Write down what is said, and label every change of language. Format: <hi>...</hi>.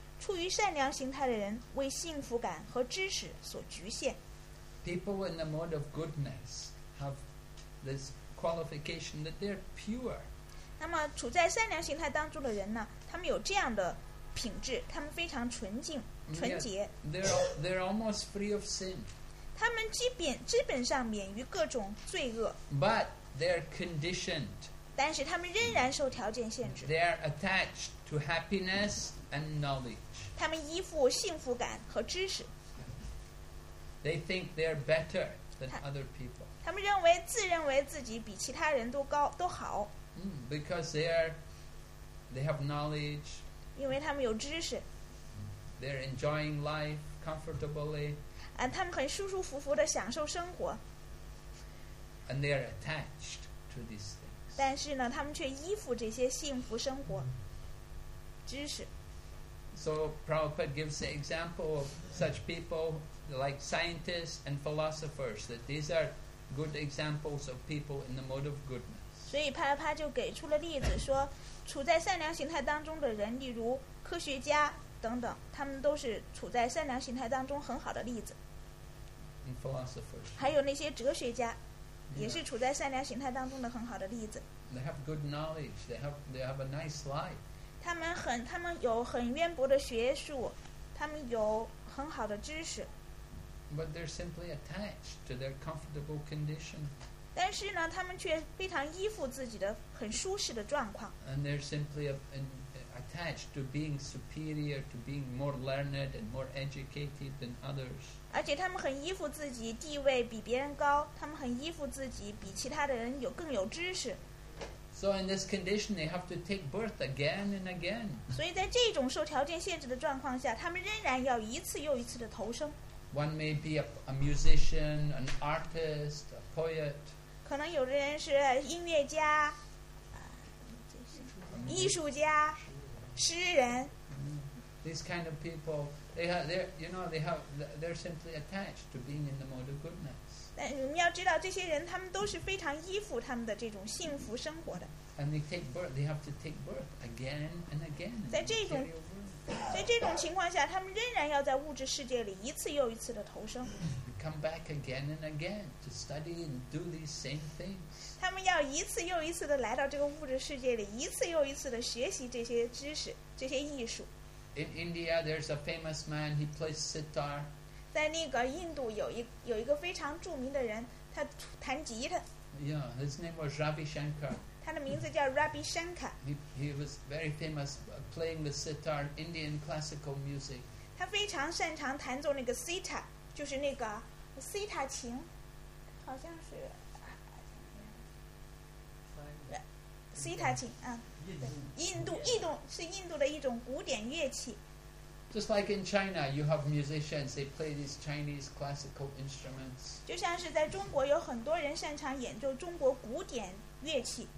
<zh>处于善良形态的人为幸福感和知识所局限。</zh> <en>People in the mode of goodness have this qualification that they're pure.</en> <zh>那么处在善良形态当中的人呢，他们有这样的品质，他们非常纯净、纯洁。</zh> <en>They're almost free of sin.</en> <zh>他们基本上免于各种罪恶。</zh> <en>But they're conditioned.</en> <zh>但是他们仍然受条件限制。</zh> <en>They are attached to happiness and knowledge.</en> <zh>他们依附幸福感和知识。</zh> <en>They think they are better than other people.</en> <zh>他们认为自认为自己比其他人都高都好。</zh> <en>Because they have knowledge.</en> <zh>因为他们有知识。</zh> <en>They're enjoying life comfortably.</en> <zh>他们很舒舒服服地享受生活。</zh> <en>And they are attached to these things.</en> <zh>但是呢，他们却依附这些幸福生活知识。</zh> <en>So Prabhupada gives the example of such people like scientists and philosophers that these are good examples of people in the mode of goodness.</en> <zh>所以帕拉帕就给出了例子，说处在善良形态当中的人，例如科学家等等，他们都是处在善良形态当中很好的例子。</zh> <en>And philosophers.</en> <zh>还有那些哲学家。也是处在善良形态当中的很好的例子。</zh> <en>They have good knowledge. They have a nice life.</en> <zh>他们有很渊博的学术，他们有很好的知识。</zh> <en>But they're simply attached to their comfortable condition.</en> <zh>但是呢，他们却非常依附自己的很舒适的状况。</zh> <en>And they're simply attached to being superior, to being more learned and more educated than others.</en> <zh>而且他们很依附自己地位比别人高，他们很依附自己比其他的人有更有知识。</zh> <en>So in this condition, they have to take birth again and again.</en> <zh>所以在这种受条件限制的状况下，他们仍然要一次又一次的投生。</zh> <en>One may be a musician, an artist, a poet.</en> <zh>可能有的人是音乐家，艺术家，诗人。</zh> <en>These kind of people, they're simply attached to being in the mode of goodness.</en> <zh>但你们要知道，这些人他们都是非常依附他们的这种幸福生活的。</zh> <en>And they take birth. They have to take birth again and again.</en> <zh>在这种情况下，他们仍然要在物质世界里一次又一次的投生。</zh> <en>Come back again and again to study and do these same things.</en> <zh>他们要一次又一次的来到这个物质世界里，一次又一次的学习这些知识、这些艺术。</zh> <en>In India, there's a famous man. He plays sitar.</en> <zh>在那个印度有一个非常著名的人，他弹吉他。</zh> <en>Yeah, his name was Ravi Shankar.</en> <zh>他的名字叫 Ravi Shankar.</zh> <en>He was very famous playing the sitar, Indian classical music.</en> <zh>他非常擅长弹奏那个 sitar。就是那个西塔琴，好像是西塔琴，嗯，印度是印度的一种古典乐器。</zh> <en>Just like in China, you have musicians, they play these Chinese classical instruments.</en> <zh>就像是在中国有很多人擅长演奏中国古典乐器。</zh>